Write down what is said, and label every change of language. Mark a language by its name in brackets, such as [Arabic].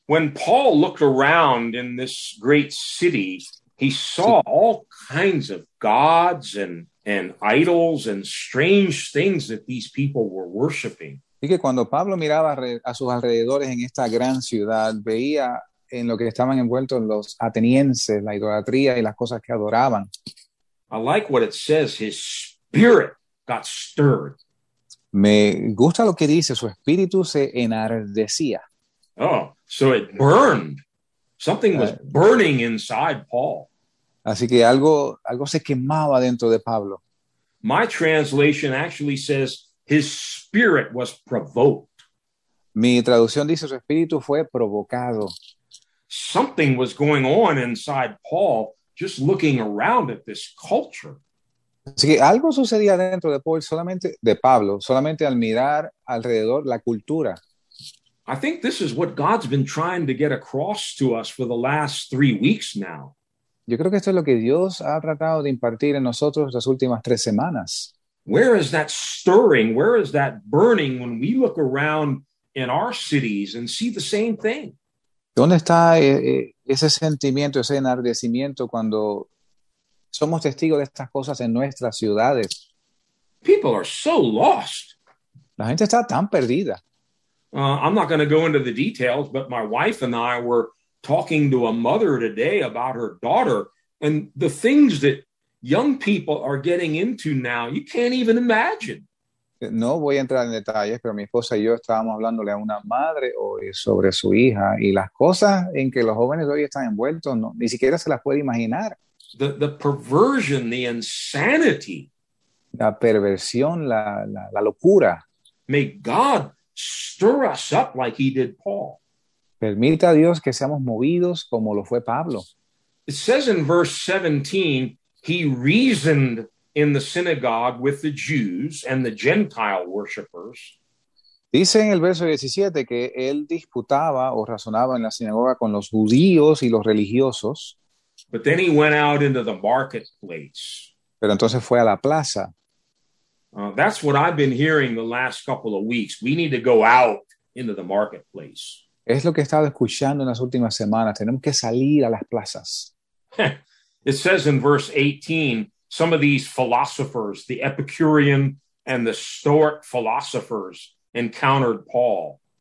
[English] When Paul looked around in this great city, he saw all kinds of gods and idols and strange things that these people were worshiping. [Spanish] Y que cuando Pablo miraba a sus alrededores en esta gran ciudad, veía en lo que estaban envueltos los atenienses, la idolatría y las cosas que adoraban. [English] I like what it says, his spirit got stirred. [Spanish] Me gusta lo que dice, su espíritu se enardecía. [English] Oh, so it burned. Something was burning inside Paul. [Spanish] Así que algo se quemaba dentro de Pablo. [English] My translation actually says his spirit was provoked. [Spanish] Mi traducción dice su espíritu fue provocado. [English] Something was going on inside Paul just looking around at this culture. [Spanish] Así que algo sucedía dentro de Pablo solamente al mirar alrededor la cultura. [English] I think this is what God's been trying to get across to us for the last 3 weeks now. [Spanish] Yo creo que esto es lo que Dios ha tratado de impartir en nosotros las últimas 3 semanas. [English] Where is that stirring? Where is that burning when we look around in our cities and see the same thing? [Spanish] ¿Dónde está ese sentimiento, ese enardecimiento cuando somos testigos de estas cosas en nuestras ciudades? [English] People are so lost. [Spanish] La gente está tan perdida. [English] I'm not going to go into the details, but my wife and I were talking to a mother today about her daughter and the things that young people are getting into now, you can't even imagine. [Spanish] No voy a entrar en detalles, pero mi esposa y yo estábamos hablándole a una madre hoy sobre su hija y las cosas en que los jóvenes hoy están envueltos, no, ni siquiera se las puede imaginar. [English] The perversion, the insanity. [Spanish] La perversión, la locura. [English] May God stir us up like he did Paul. [Spanish] Permita a Dios que seamos movidos como lo fue Pablo. [English] It says in verse 17, he reasoned in the synagogue with the Jews and the Gentile worshipers. [Spanish] Dice en el verso 17 que él disputaba o razonaba en la sinagoga con los judíos y los religiosos. [English] But then he went out into the marketplace. [Spanish] Pero entonces fue a la plaza. [English] That's what I've been hearing the last couple of weeks. We need to go out into the marketplace. [Spanish] Es lo que he estado escuchando en las últimas semanas. Tenemos que salir a las plazas. [English] It says in verse 18, some of these philosophers, the Epicurean and the Stoic philosophers, encountered Paul.